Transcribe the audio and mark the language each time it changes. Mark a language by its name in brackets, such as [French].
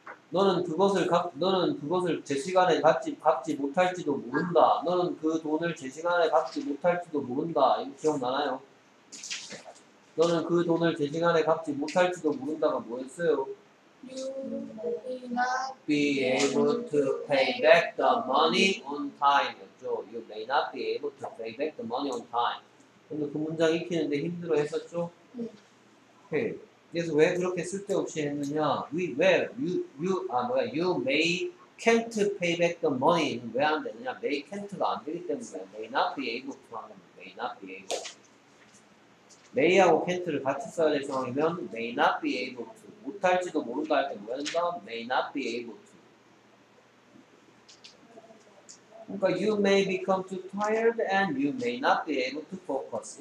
[Korean] 너는 그것을 제 시간에 갚지 못할지도 모른다. 너는 그 돈을 제 시간에 갚지 못할지도 모른다. 이거 기억나나요? 너는 그 돈을 제 시간에 갚지 못할지도 모른다가 뭐였어요? [English] You may not be able to pay back the money on time. You may not be able to pay back the money on time. [Korean] 근데 그 문장 익히는데 힘들어 했었죠? 오케이. 그래서 왜 그렇게 쓸데없이 했느냐? [English] You may can't pay back the money. [Korean] 왜 안 되느냐? May can't가 안 되기 때문에 [English] may not be able to [Korean] 하는 거예요. [English] May not be able. [Korean] May하고 can't를 같이 써야 될 상황이면 [English] may not be able to. [Korean] 못할지도 모른다 할 때 뭐 한다? [English] May not be able to. [Korean] 그러니까 [English] you may become too tired and you may not be able to focus.